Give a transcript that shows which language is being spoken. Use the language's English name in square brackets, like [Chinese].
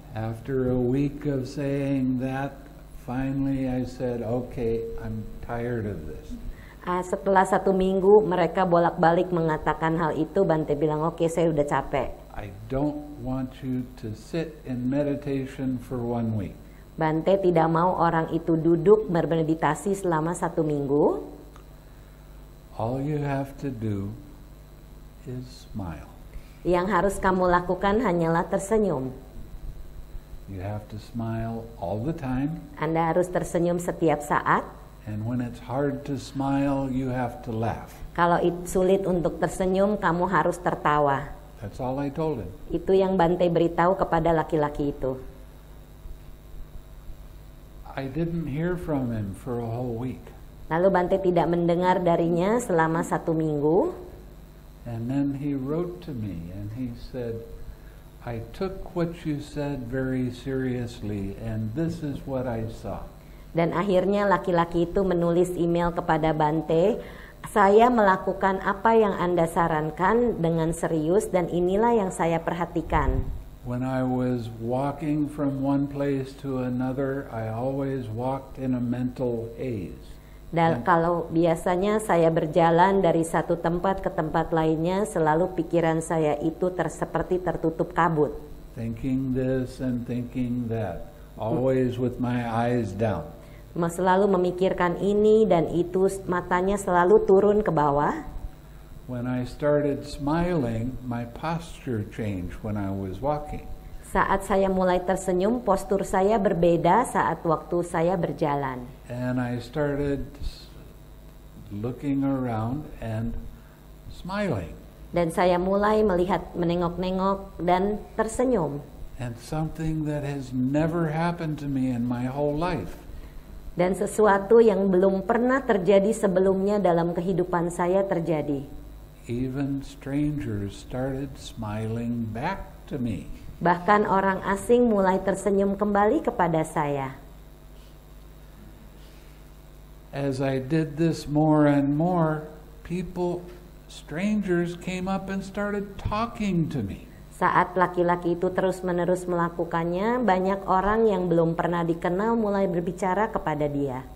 [English] After a week of saying that, finally I said, okay, I'm tired of this. [Indonesian] Setelah satu minggu mereka bolak-balik mengatakan hal itu, Bante bilang, okay, saya udah capek. [English] I don't want you to sit in meditation for one week. [Indonesian] Bante tidak mau orang itu duduk bermeditasi selama satu minggu. [English] All you have to do is smile. [Indonesian] Yang harus kamu lakukan hanyalah tersenyum. [English] You have to smile all the time. [Indonesian] Anda harus tersenyum setiap saat. [English] And when it's hard to smile, you have to laugh. [Indonesian] Kalau sulit untuk tersenyum, kamu harus tertawa. [English] That's all I told him. [Indonesian] Itu yang Bante beritahu kepada laki-laki itu. [English] I didn't hear from him for a whole week. [Indonesian] Lalu Bante tidak mendengar darinya selama satu minggu. [English] And then he wrote to me and he said, I took what you said very seriously and this is what I saw. [Indonesian] Dan akhirnya laki-laki itu menulis email kepada Bante, saya melakukan apa yang Anda sarankan dengan serius dan inilah yang saya perhatikan. [English] When I was walking from one place to another, I always walked in a mental haze. [Indonesian] Dan kalau biasanya saya berjalan dari satu tempat ke tempat lainnya, selalu pikiran saya itu seperti tertutup kabut. [English] Thinking this and thinking that, always with my eyes down. [Indonesian] Selalu memikirkan ini dan itu, matanya selalu turun ke bawah. [English] When I started smiling, my posture changed when I was walking. [Indonesian] Saat saya mulai tersenyum, postur saya berbeda saat waktu saya berjalan. [English] And I started looking around and smiling. [Indonesian] Dan saya mulai melihat, menengok-nengok dan tersenyum. [English] And something that has never happened to me in my whole life. [Indonesian] Dan sesuatu yang belum pernah terjadi sebelumnya dalam kehidupan saya terjadi. [English] Even strangers started smiling back to me. [Indonesian] Bahkan orang asing mulai tersenyum kembali kepada saya. [English] As I did this more and more, people, strangers came up and started talking to me. [Indonesian] Saat laki-laki itu terus-menerus melakukannya, banyak orang yang belum pernah dikenal mulai berbicara kepada dia.